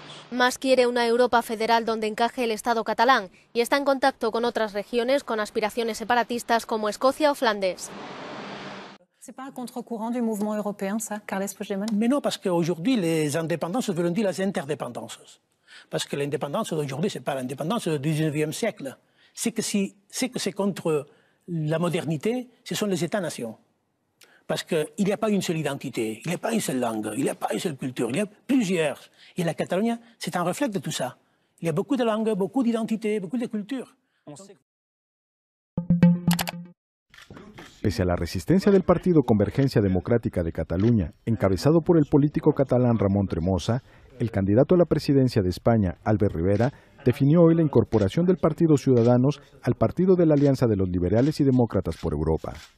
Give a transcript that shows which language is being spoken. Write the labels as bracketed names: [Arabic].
[Spanish] Mas quiere una Europa federal donde encaje el Estado catalán y está en contacto con otras regiones con aspiraciones separatistas como Escocia o Flandes. [French] C'est pas un contre-courant du mouvement européen, ça, Carles Puigdemont? Mais non, parce qu'aujourd'hui, les indépendances veulent dire les interdépendances. Parce que l'indépendance d'aujourd'hui, c'est pas l'indépendance du 19e siècle. C'est contre la modernité, ce sont les États-nations. Parce qu'il n'y a pas une seule identité, il n'y a pas une seule langue, il n'y a pas une seule culture, il y a plusieurs. Et la Catalogne, c'est un reflet de tout ça. Il y a beaucoup de langues, beaucoup d'identités, beaucoup de cultures. [Spanish] Pese a la resistencia del Partido Convergencia Democrática de Cataluña, encabezado por el político catalán Ramón Tremosa, el candidato a la presidencia de España, Albert Rivera, definió hoy la incorporación del Partido Ciudadanos al Partido de la Alianza de los Liberales y Demócratas por Europa.